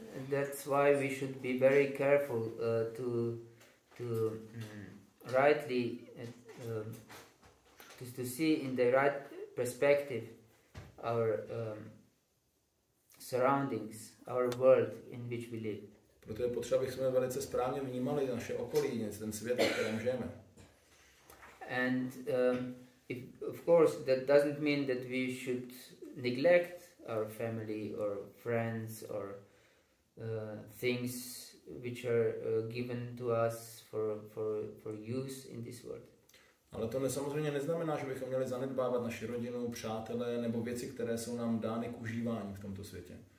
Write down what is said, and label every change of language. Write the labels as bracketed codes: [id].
[en] That's why we should be very careful to see in the right perspective our surroundings, our world in which we live. [cs] Proto je potřeba, abychom velice správně vnímali naše okolí, ten svět, v kterém žijeme. [en] And if, of course, that doesn't mean that we should neglect our family or friends or things which are given to us for use in this world. [cs] Ale to samozřejmě neznamená, že bychom měli zanedbávat naši rodinu, přátelé nebo věci, které jsou nám dány k užívání v tomto světě.